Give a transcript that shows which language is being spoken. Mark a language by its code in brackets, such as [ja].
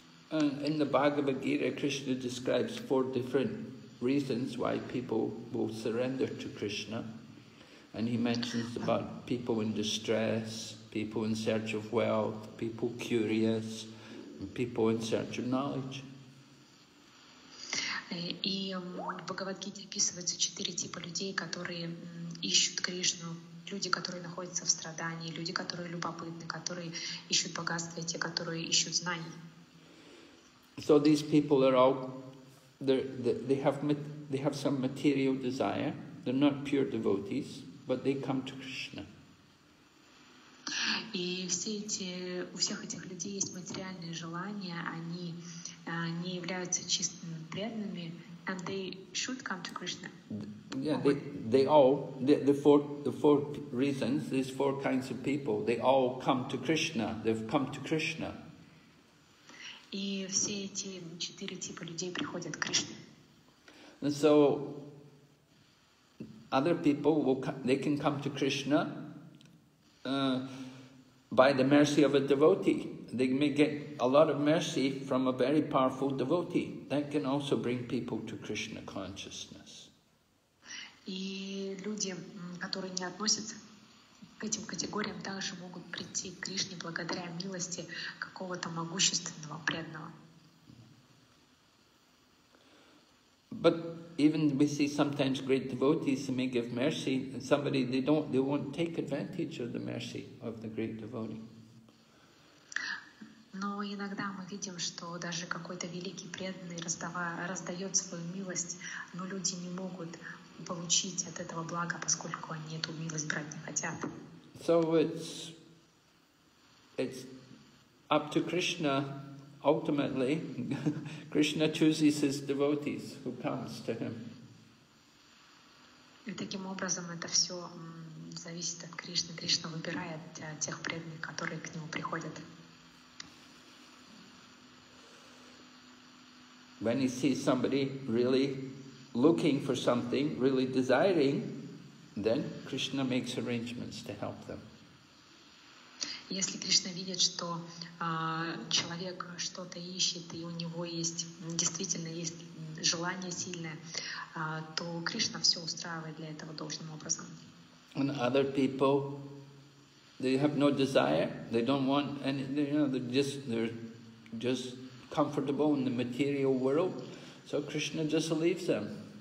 [en] In the Bhagavad Gita, Krishna describes four different reasons why people will surrender to Krishna. And he mentions about people in distress, people in search of wealth, people curious, and people in search of knowledge. [ru] И в Бхагавад-гите описываются четыре типа людей, которые ищут Кришну. Люди, которые находятся в страдании, люди, которые любопытны, которые ищут богатства, и те, которые ищут знаний. [en] So these people are all, they have some material desire. They're not pure devotees, but they come to Krishna. [ru] И все эти, у всех этих людей есть материальные желания, они не являются чистыми преданными, [en] and they should come to Krishna. Yeah, the four reasons, these four kinds of people, they all come to Krishna. They've come to Krishna. [ru] И все эти четыре типа людей приходят к Кришне. [en] And so other people will come, they can come to Krishna by the mercy of a devotee. They may get a lot of mercy from a very powerful devotee. That can also bring people to Krishna consciousness. [ru] И люди, которые не относятся к этим категориям, также могут прийти к Кришне благодаря милости какого-то могущественного преданного. [en] But even we see sometimes great devotees who may give mercy, and somebody they won't take advantage of the mercy of the great devotee. [ru] Но иногда мы видим, что даже какой-то великий преданный раздает свою милость, но люди не могут получить от этого блага, поскольку они эту милость брать не хотят. [en] So it's up to Krishna. Ultimately, Krishna chooses his devotees who comes to him. [ru] И таким образом это все зависит от Кришны. Кришна выбирает тех преданных, которые к нему приходят. [en] When he sees somebody really looking for something, really desiring, then Krishna makes arrangements to help them. [ru] Если Кришна видит, что человек что-то ищет, и у него есть действительно есть желание сильное, то Кришна все устраивает для этого должным образом. [en] And other people, they have no desire, they don't want any, you know, they're just comfortable in the material world, so Krishna just leaves them.